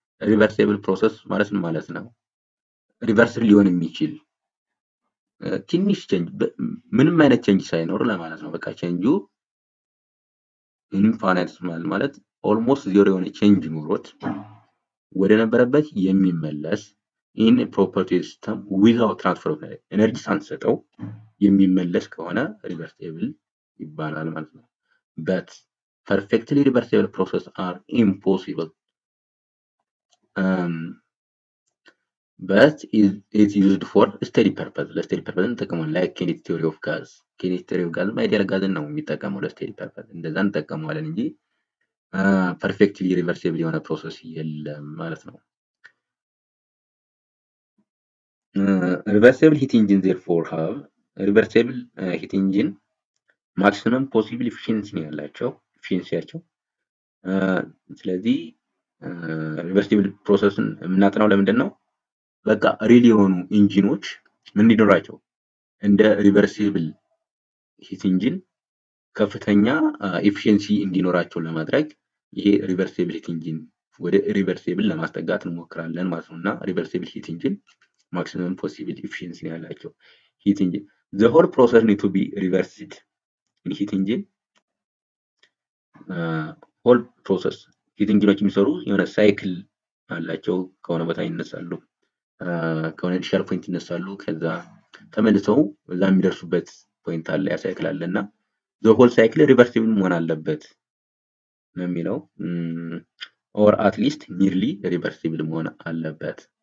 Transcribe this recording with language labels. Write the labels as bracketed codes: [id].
[am] Reversible process ማለት ነው reversible ሊሆን የሚችል ትንሽ change ምንም አይነት change ሳይኖር ለማለት ነው። በቃ changeው infinitesimal ማለት almost zero የሆነ change ኖሮት ወደ ነበረበት የሚመለስ [en] in a property system without transfer of energy [am] ሳንሰጠው የሚመለስ ከሆነ reversible ይባላል ማለት ነው። [en] But perfectly reversible processes are impossible. But it is used for steady purpose. [am] ለስቴዲ ፐርፐዝ እንጠቀመው [en] ላይክ ኬኔቲክ ቲዮሪ ኦፍ ጋዝ። [am] ኬኔቲክ ቲዮሪ ኦፍ ጋዝ ማይዲያል ጋዝን ነው የሚጠቀመው ለስቴዲ ፐርፐዝ። እንደዛን እንጠቀመዋለን እንጂ perfectly reversible የሆነ process የለም ማለት ነው። [en] Reversible heat engine therefore have reversible heat engine maximum possible efficiency [am] ነው ያላቸው efficiencyያቸው። ስለዚህ reversible processን እናጥናው ለምንድነው? በቃ ሪሊ የሆኑ ኢንጂኖች ምን ይደረጋቸው እንደ reversible heat engine ከፍተኛ efficiency እንዲኖራቸው ለማድረግ ይሄ reversible heat engine ወደ reversible ለማስተጋት እንሞክራለን ማለት ነውና [en] reversible heat engine maximum possible efficiency [am] ነው ያላቸው heat engine. [en] The whole process need to be reversed in heat engine. [am] Whole process heat engine ነው የሚሰሩ የሆነ ሳይክል አላቸው ከሆነ ቦታ ይነሳሉ ከሆነ ሼር ፖይንት ይነሳሉ ከዛ ተመልሰው እዛ የሚደርሱበት ፖይንት አለ ያ ሳይክል አለና [en] the whole cycle reversible [am] መሆን አለበት ነው የሚለው [en] or at least nearly reversible [am] መሆን አለበት።